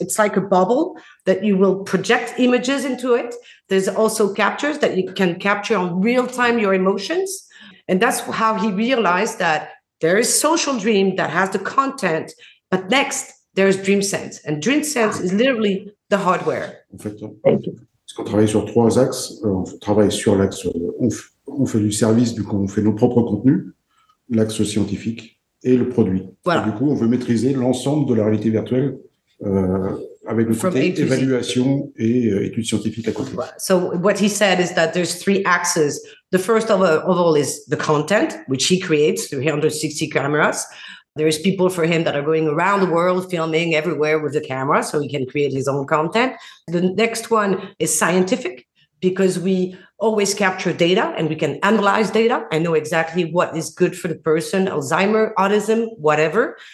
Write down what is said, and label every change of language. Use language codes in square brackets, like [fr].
[en] It's like a bubble that you will project images into it. There's also captures that you can capture on real time your emotions. And that's how he realized that there is Social Dream that has the content, but next there's Dream Sense. And Dream Sense is literally the hardware. [fr] En fait, on travaille sur trois axes. On travaille sur l'axe, on fait du service, du coup, on fait nos propres contenus. L'axe scientifique et le produit. Voilà. Et du coup, on veut maîtriser l'ensemble de la réalité virtuelle avec le côté évaluation et études scientifiques à côté. Voilà. [en] So what he said is that there's three axes. The first of all is the content, which he creates through 360 cameras. There's people for him that are going around the world filming everywhere with the camera so he can create his own content. The next one is scientific, because we always capture data and we can analyze data and know exactly what is good for the person, Alzheimer's, autism, whatever.